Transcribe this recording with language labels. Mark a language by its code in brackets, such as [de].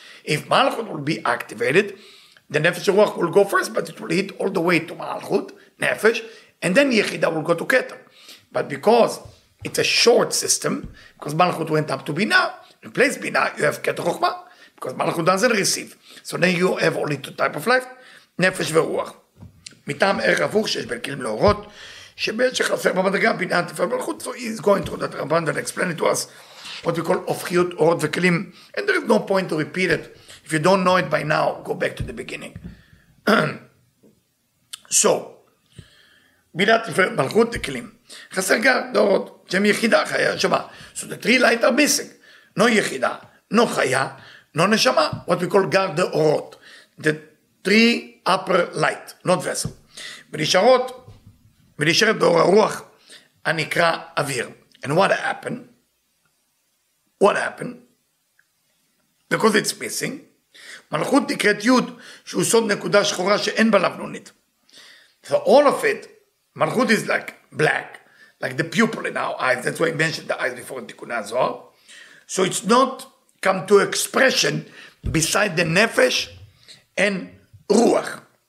[en] If Malchut will be activated, the Nefesh and Ruach will go first, but it will hit all the way to Malchut, Nefesh, and then Yechida will go to Keter. But because it's a short system, because Malchut went up to Bina, replace Bina, you have Keter Chochma, because Malchut doesn't receive. So then you have only two types of life, Nefesh and Ruach. [he] מטעם ערך הפוך שיש בין כלים לאורות, שבעת שחסר במדרגה, בינה תפעל מלכות, [en] so he's going through that Ramban and explain it to us, what we call [he] הופכיות אורות וכלים, [en] and there is no point to repeat it, if you don't know it by now, go back to the beginning. So, [he] בינה תפעל מלכות וכלים, חסר גם דורות, שם יחידה, חיה, נשמה, [en] so the three light are missing, no יחידה, no חיה, no נשמה, what we call guard the אורות, the three upper light, not vessel. [he] ונשארות, ונשארת באור הרוח, הנקרא אוויר. [en] And what happened? What happened? Because it's missing. [he] מלכות נקראת יוד, שהוא סוד נקודה שחורה שאין בה לבנונית. [en] So all of it, מלכות is like black, like the pupil in our eyes. That's why I mentioned the eyes before in תיקוני הזוהר. So it's not come to expression beside the נפש and רוח.